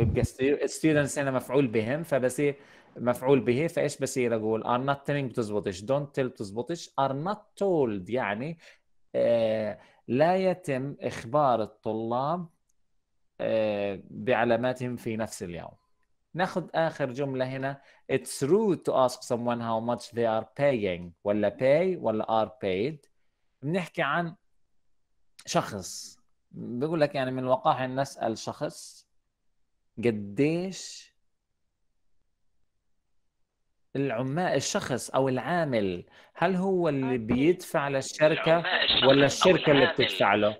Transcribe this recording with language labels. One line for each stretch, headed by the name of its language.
Arabic: يبقى students هنا مفعول بهم، فبصير مفعول به، فإيش بصير أقول؟
English: are not telling
Arabic: بتزبطش،
English: don't tell
Arabic: بتزبطش،
English: are not told
Arabic: يعني لا يتم إخبار الطلاب بعلاماتهم في نفس اليوم. ناخذ آخر جملة هنا.
English: It's rude to ask someone how much they are paying ولا pay ولا are paid.
Arabic: بنحكي عن شخص، بيقول لك يعني من الوقاحة أن نسأل شخص قديش الشخص أو العامل، هل هو اللي بيدفع للشركة ولا الشركة اللي بتدفع له؟